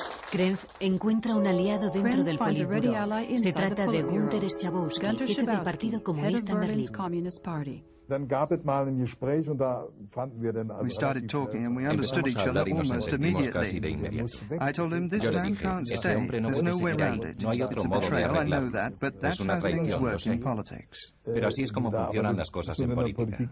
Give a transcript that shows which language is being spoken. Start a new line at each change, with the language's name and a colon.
Spanish: Krenf encuentra un aliado dentro del Politburo. Se trata de Günter Schabowski, jefe del Partido Comunista Berlín.
German: Dann gab es mal ein Gespräch und da fanden wir dann
English: also. We started talking and we understood each other almost immediately. I told him this man can't stay. There's no way around it. It's a betrayal. I know that, but that's how things work in politics.
Spanish: Pero así es como funcionan las cosas en política.